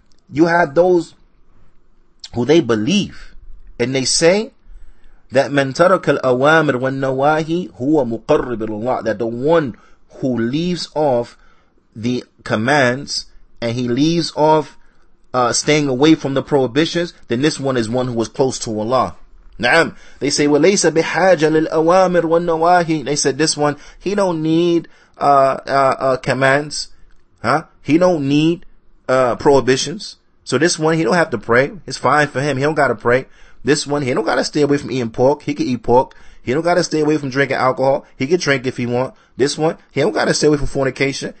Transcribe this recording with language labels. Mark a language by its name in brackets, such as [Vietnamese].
[English] You have those who they believe, and they say that [Arabic] من ترك الأوامر والنواهي هو مقرب الله, [English] that the one who leaves off the commands and he leaves off staying away from the prohibitions, then this one is one who was close to Allah. [Arabic] Naam. [English] They say, [Arabic] وليس بحاجة للأوامر والنواهي. [English] They said, this one, he don't need commands. Huh? He don't need prohibitions. So this one, he don't have to pray. It's fine for him. He don't gotta pray. This one, he don't gotta stay away from eating pork. He can eat pork. He don't gotta stay away from drinking alcohol. He can drink if he want. This one, he don't gotta stay away from fornication.